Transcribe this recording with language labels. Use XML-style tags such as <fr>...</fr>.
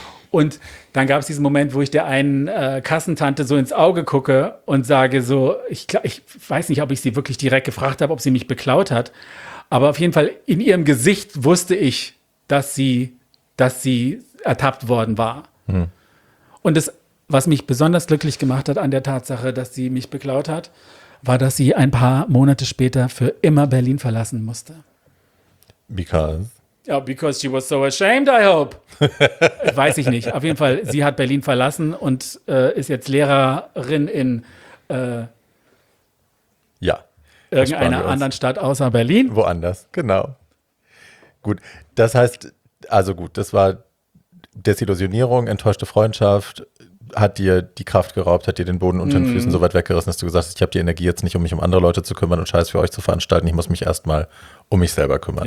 <de>Und dann gab es diesen Moment, wo ich der einen Kassentante so ins Auge gucke und sage so, ich weiß nicht, ob ich sie wirklich direkt gefragt habe, ob sie mich beklaut hat, aber auf jeden Fall in ihrem Gesicht wusste ich, dass sie ertappt worden war. Mhm. Und das, was mich besonders glücklich gemacht hat an der Tatsache, dass sie mich beklaut hat, war, dass sie ein paar Monate später für immer Berlin verlassen musste.</de> <en>Because?</en> <de>Ja,</de> <en>oh, because she was so ashamed, I hope.</en> <de>Weiß ich nicht. Auf jeden Fall, sie hat Berlin verlassen und ist jetzt Lehrerin in ja, irgendeiner anderen Stadt außer Berlin. Woanders, genau. Gut, das heißt, also gut, das war Desillusionierung, enttäuschte Freundschaft, hat dir die Kraft geraubt, hat dir den Boden unter den Füßen so weit weggerissen, dass du gesagt hast, ich habe die Energie jetzt nicht, um mich um andere Leute zu kümmern und Scheiß für euch zu veranstalten, ich muss mich erstmal um mich selber kümmern.</de>